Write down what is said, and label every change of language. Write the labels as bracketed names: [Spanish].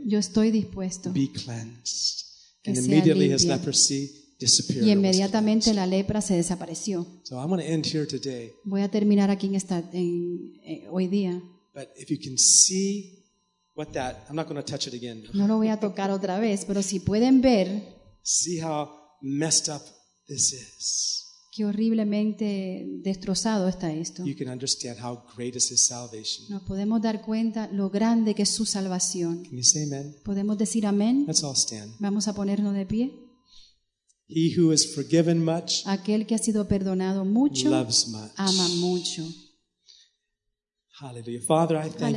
[Spanish] Yo estoy dispuesto. [English] Be cleansed. And immediately [Spanish] limpia. [English] His leprosy. [Spanish] Y inmediatamente la lepra se desapareció. [English] So I'm going to end here today. [Spanish] Voy a terminar aquí hoy día. [English] But if you can see what that, I'm not going to touch it again. [Spanish] No lo voy a tocar otra vez, pero si pueden ver. [English] See how messed up this is. [Spanish] Qué horriblemente destrozado está esto. [English] You can understand how great is his salvation. [Spanish] Nos podemos dar cuenta lo grande que es su salvación. [English] Can you say amen? [Spanish] Podemos decir amén. [English] Let's all stand. [Spanish] Vamos a ponernos de pie. [English] He who is forgiven much, [Spanish] aquel que ha sido perdonado mucho, [English] loves much. [Spanish] Ama mucho. [English] Hallelujah. Father, I thank